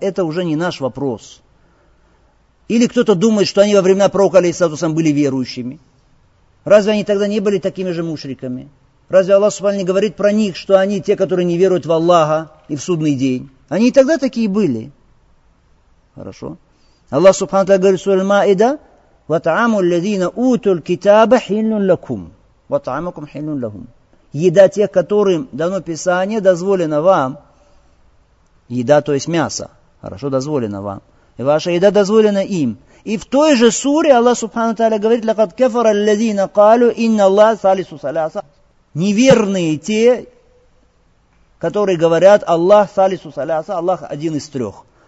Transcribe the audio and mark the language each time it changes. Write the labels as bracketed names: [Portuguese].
[Russian] Это уже не наш вопрос. Или кто-то думает, что они во времена пророка, алейхиссалям, были верующими. Разве они тогда не были такими же мушриками? Разве Аллах Субхану говорит про них, что они те, которые не веруют в Аллаха и в судный день? Они и тогда такие были. Хорошо. Аллах Субхану говорит в суре Аль-Маида, [Arabic] وَطَعَمُ الَّذِينَ أُوتُوا الْكِتَابَ حِلٌّ لَكُمْ وَطَعَمُكُمْ حِلٌّ لَهُمْ. [Russian] Еда тех, которым дано Писание, дозволена вам. Еда, то есть мясо, хорошо, дозволена вам. И ваша еда дозволена им. И в той же суре Аллах Субхану Тааля говорит, [Arabic] لَقَدْ كَفَرَ الَّذِينَ قَالُوا إِنَّ اللَّهَ ثَالِثُ ثَلَاثَ. [Russian] Неверные те, которые говорят, Аллах [Arabic] ثَالِثُ ثَلَاثَ, [Russian] Аллах один из трех.